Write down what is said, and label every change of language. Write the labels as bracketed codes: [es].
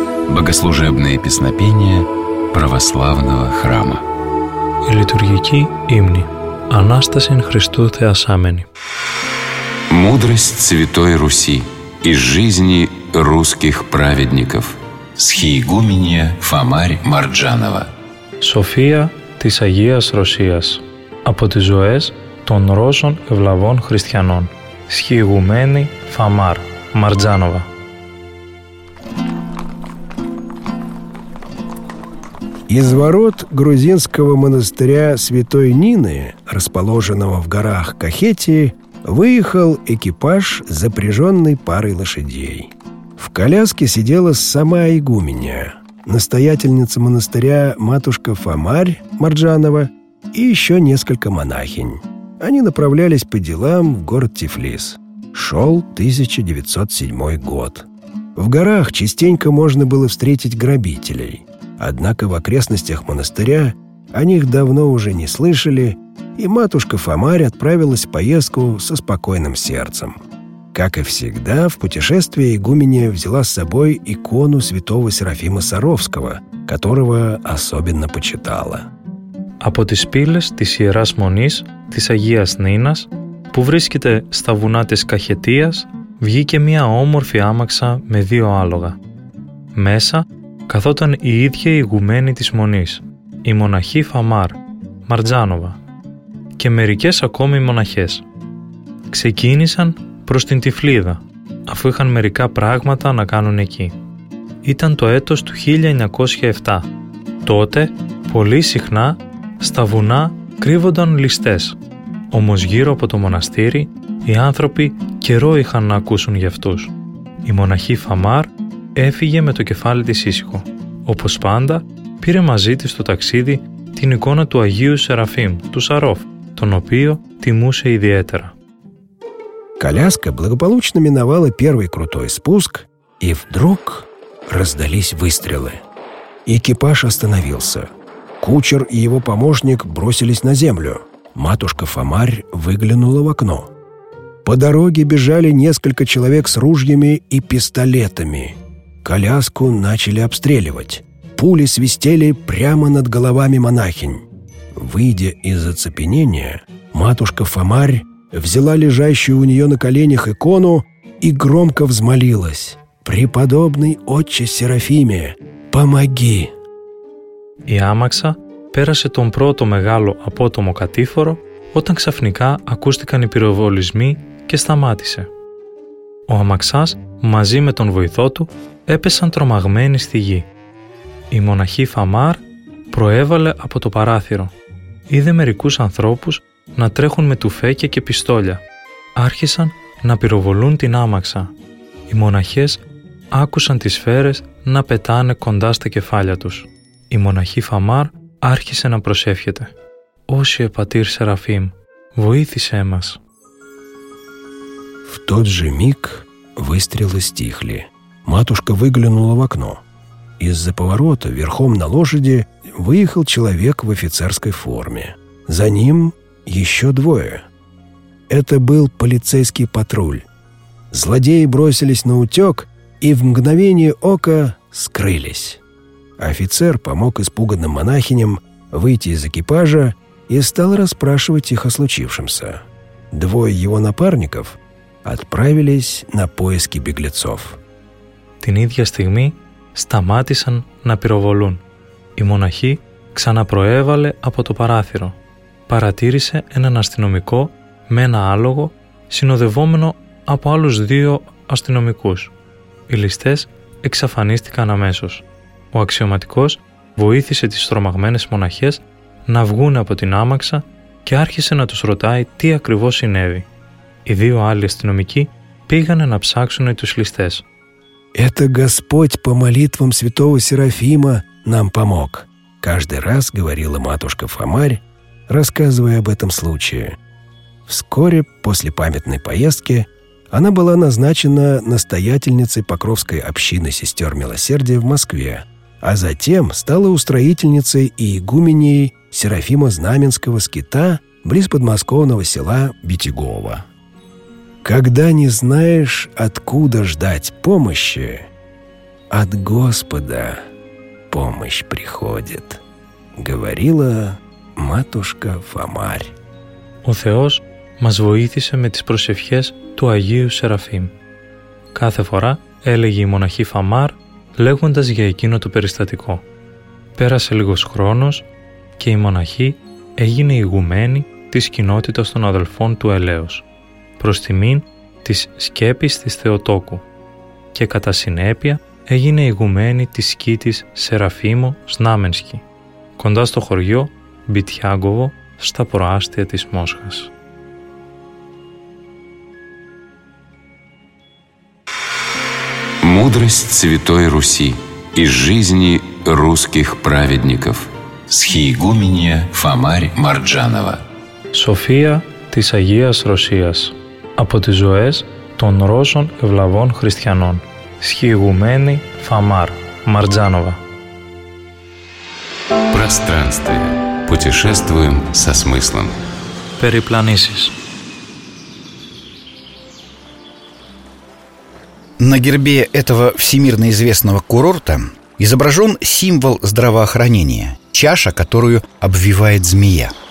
[ru] Богослужебные песнопения православного храма. [el] Литургические имни. Анастасин Христу Теосамени. [ru] Мудрость Святой Руси из жизни русских праведников. Схиигуменья Фомарь Марджанова. [el] София της Агίας Ρωσίας. Από τις ζωές των Ρώσων ευλαβών χριστιανών. [ru] Схиигумени Фомарь Марджанова. Из ворот грузинского монастыря Святой Нины, расположенного в горах Кахетии, выехал экипаж, запряженный парой лошадей. В коляске сидела сама игуменья, настоятельница монастыря матушка Фомарь Марджанова и еще несколько монахинь. Они направлялись по делам в город Тифлис. Шел 1907 год. В горах частенько можно было встретить грабителей. Однако в окрестностях монастыря о них давно уже не слышали, и матушка Фомарь отправилась в поездку со спокойным сердцем. Как и всегда, в путешествие игуменья взяла с собой икону святого Серафима Саровского, которого особенно почитала. [el] Από τις πύλες της Ιεράς Μονής της Αγίας Νίνας, που βρίσκεται στα βουνά της Καχετίας, βγήκε μια όμορφη άμαξα με δύο άλογα. Μέσα καθόταν η ίδια η ηγουμένη της μονής, η μοναχή Φαμάρ, Μαρτζάνοβα, και μερικές ακόμη μοναχές. Ξεκίνησαν προς την Τυφλίδα, αφού είχαν μερικά πράγματα να κάνουν εκεί. Ήταν το έτος του 1907. Τότε, πολύ συχνά, στα βουνά κρύβονταν ληστές. Όμως γύρω από το μοναστήρι, οι άνθρωποι καιρό είχαν να ακούσουν για αυτούς. Η μοναχή Φαμάρ έφυγε με το κεφάλι της ήσυχο. Όπως πάντα, πήρε μαζί της στο ταξίδι την εικόνα του Αγίου Σεραφείμ, του Σαρόφ, τον οποίο τιμούσε ιδιαίτερα. [ru] Коляска благополучно миновала первый крутой спуск, и вдруг раздались выстрелы. Экипаж остановился. Кучер и его помощник бросились на землю. Матушка Фомарь выглянула в окно. По дороге бежали несколько человек с ружьями и пистолетами. Коляску начали обстреливать. Пули свистели прямо над головами монахинь. Выйдя из оцепенения, матушка Фомарь взяла лежащую у нее на коленях икону и громко взмолилась: «Преподобный отче Серафиме, помоги!» [el] Η άμαξα πέρασε τον πρώτο μεγάλο απότομο κατήφορο όταν ξαφνικά ακούστηκαν οι πυροβολισμοί και σταμάτησε. Ο αμαξάς μαζί με τον βοηθό του έπεσαν τρομαγμένοι στη γη. Η μοναχή Φαμάρ προέβαλε από το παράθυρο. Είδε μερικούς ανθρώπους να τρέχουν με τουφέκια και πιστόλια. Άρχισαν να πυροβολούν την άμαξα. Οι μοναχές άκουσαν τις σφαίρες να πετάνε κοντά στα κεφάλια τους. Η μοναχή Φαμάρ άρχισε να προσεύχεται: «Όσιε πατήρ Σεραφείμ, βοήθησέ μας!» [ru] В тот же миг выстрелы стихли. Матушка выглянула в окно. Из-за поворота верхом на лошади выехал человек в офицерской форме. За ним еще двое. Это был полицейский патруль. Злодеи бросились на утек и в мгновение ока скрылись. Офицер помог испуганным монахиням выйти из экипажа и стал расспрашивать их о случившемся. Двое его напарников отправились на поиски беглецов. [el] Την ίδια стигми сταμάτησαν να пировolούν. Η монахи ξαναπροέβαλε από το παράθυρο. Παρατήρησε έναν αστυνομικό με ένα άλογο συνοδευόμενο από άλλους δύο αστυνομικούς. Οι ληστές εξαφανίστηκαν αμέσως. Ο αξιωματικός βοήθησε τις τρομαγμένες μοναχές να βγουν από την άμαξα και άρχισε να τους ρωτάει τι ακριβώς συνέβη. Οι δύο άλλοι αστυνομικοί πήγανε να ψάξουν τους ληστές. [ru] «Это Господь по молитвам святого Серафима нам помог», каждый раз говорила матушка Фомарь, рассказывая об этом случае. Вскоре после памятной поездки она была назначена настоятельницей Покровской общины сестер Милосердия в Москве, а затем стала устроительницей и игуменей Серафима Знаменского скита близ подмосковного села Битигово. «Когда не знаешь, откуда ждать помощи, от Господа помощь приходит», говорила Матушка Фомарь. [el] Ο Θεός μας βοήθησε με τις προσευχές του Αγίου Σεραφείμ. Κάθε φορά έλεγε η μοναχή Φαμάρ, λέγοντας για εκείνο το περιστατικό. Πέρασε λίγος χρόνος και η μοναχή έγινε ηγουμένη της κοινότητας των αδελφών του Ελέος, προς τιμήν της σκέπης της Θεοτόκου, και κατά συνέπεια έγινε ηγουμένη της σκήτης Σεραφείμο Σνάμενσκι, κοντά στο χωριό Μπιτιάγκοβο, στα προάστια της Μόσχας. [ru] Мудрость Святой Руси из жизни русских праведников. Схиигуменья Фомарь Марджанова. [el] Σοφία της Αγίας Ρωσίας. Από τις ζωές των Ρώσων ευλαβών χριστιανών. [ru] Схиигумени Фомарь Марджанова. Пространствие. Путешествуем со смыслом. [el] Перепланисис. [ru] На гербе этого всемирно известного курорта изображен символ здравоохранения – чаша, которую обвивает змея.